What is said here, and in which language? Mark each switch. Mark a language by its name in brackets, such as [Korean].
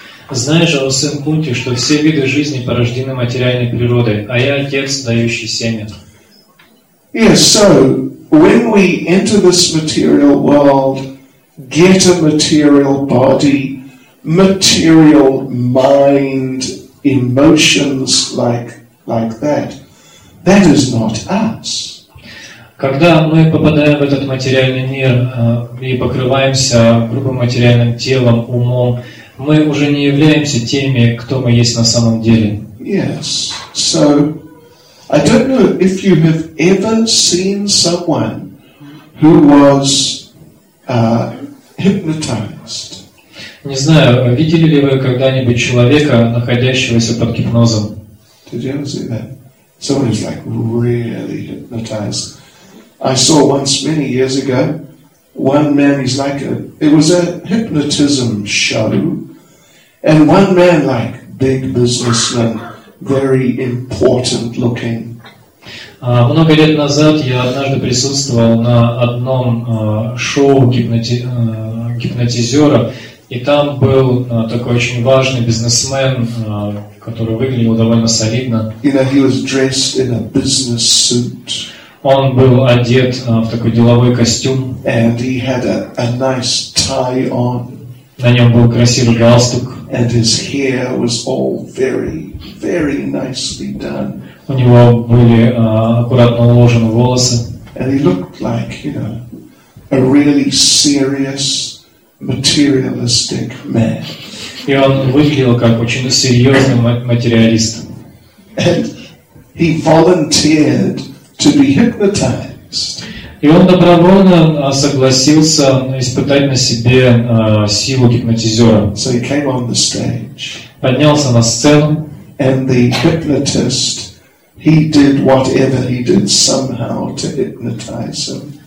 [Russian] Знаешь, о сын Кунти, что все виды жизни порождены материальной природой, а я отец, дающий семя. [English] Yes, so when we enter this material world, get a material body, material mind, emotions like that, that is not us. [Russian] Когда мы попадаем в этот материальный мир и покрываемся грубым материальным телом, умом, мы уже не являемся теми, кто мы есть на самом деле. [English] Yes, so I don't know if you have ever seen someone who was hypnotized. [Russian] Не знаю, видели ли вы когда-нибудь человека, находящегося под гипнозом? [English] Did you ever see that? Someone who's like really hypnotized. I saw once many years ago one man is like a, it was a hypnotism show, and one man like big businessman, very important looking. [Russian] Много лет назад я однажды присутствовал на одном шоу гипнотизера, и там был такой очень важный бизнесмен, который выглядел довольно солидно. [English] You know, he was dressed in a business suit. [Russian] Он был одет в такой деловой костюм. [English] And he had a nice tie on. [Russian] На нем был красивый галстук. [English] And his hair was all very, very nicely done. [Russian] У него были аккуратно уложены волосы. [English] And he looked like, you know, a really serious materialistic man. [Russian] И он выглядел как очень серьезный материалист. [English] And he volunteered to be hypnotized. [Russian] И он добровольно согласился испытать на себе силу гипнотизера. [English] So he came on the stage. [Russian] Поднялся на сцену. [English] And the hypnotist, he did whatever he did somehow to hypnotize him.